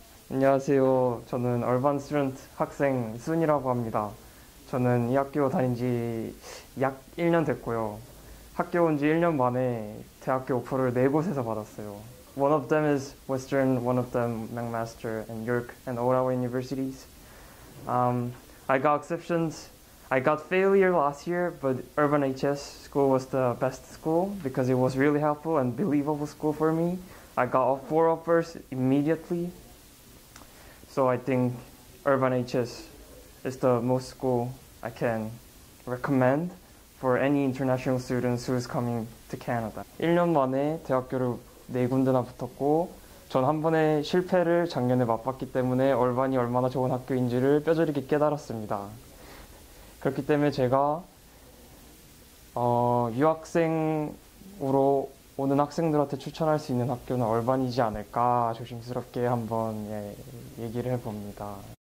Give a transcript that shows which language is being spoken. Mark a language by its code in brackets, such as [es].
[ko] 안녕하세요. 저는 얼반 스튜던트 학생 순이라고 합니다. 저는 이 학교 다닌 지 약 1년 됐고요. 학교 온 지 1년 만에 대학교 오퍼를 네 곳에서 받았어요. [en] One of them is Western, one of them McMaster and York and Ottawa universities. I got exceptions. I got failure last year, but Urban HS school was the best school because it was really helpful and believable school for me. I got all 4 offers immediately. So I think Urban HS is the most school I can recommend. For any international students who is coming to Canada. [ko] 1년 만에 대학교를 네 군데나 붙었고 전 한 번의 실패를 작년에 맛봤기 때문에 얼반이 얼마나 좋은 학교인지를 뼈저리게 깨달았습니다. 그렇기 때문에 제가 유학생으로 오는 학생들한테 추천할 수 있는 학교는 얼반이지 않을까 조심스럽게 한번 얘기를 해봅니다.